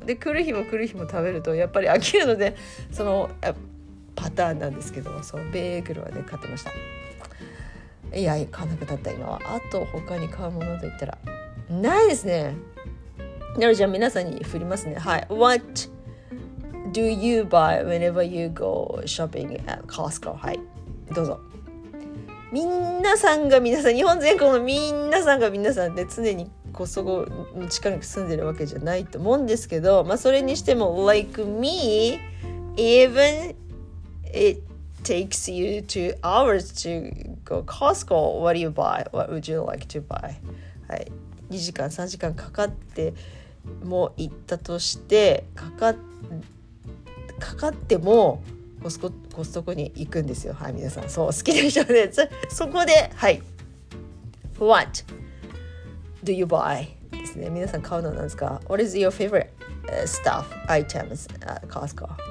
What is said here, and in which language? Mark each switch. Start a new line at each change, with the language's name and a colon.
Japanese: で、来る日も食べるとやっぱり飽きるので、そのパターンなんですけど、そう、ベーグルはね買ってました。いや、買わなくなった。今はあと他に買うものといったらないですね。じゃあ皆さんに振りますね。はい。
English: What do you buy whenever you go shopping at Costco?
Japanese: はい。どうぞ。みんなさんが皆さん、日本全国のみんなさんが皆さんで常にコストコの近くに住んでるわけじゃないと思うんですけど、まあそれにしても、
English: like me, even it takes you 2 hours to go Costco, what do you buy? What would you like to buy?
Japanese: はい。 2時間3時間かかっても行ったとして、かかってもコストコに行くんですよ。はい、皆さん、そう、好きでしょうね。そこで、はい、
English: What do you buy
Japanese: ですね。皆さん買うのなんですか。
English: What is your favorite stuff items at Costco?